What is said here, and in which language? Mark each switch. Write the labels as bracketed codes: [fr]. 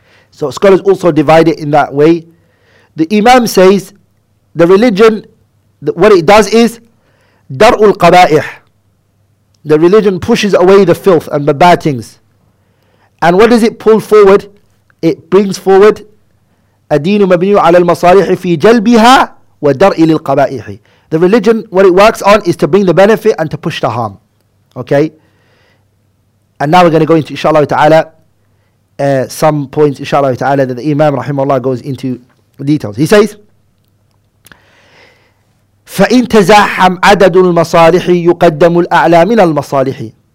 [en] So scholars also divide it in that way. The Imam says the religion, what it does is dar'ul qaba'ih. The religion pushes away the filth and the bad things. And what does it pull forward? It brings forward [ar] الدين مبني على المصالح في جلبها ودرء للقبائح. [en] The religion, what it works on is to bring the benefit and to push the harm. Okay? And now we're going to go into, inshallah ta'ala, some points, inshallah ta'ala, that the Imam rahimahullah goes into details. He says, [ar] فَإِن تَزَاحَمْ عَدَدُ الْمَصَالِحِ يُقَدَّمُ الْأَعْلَى مِنَ الْمَصَالِحِ.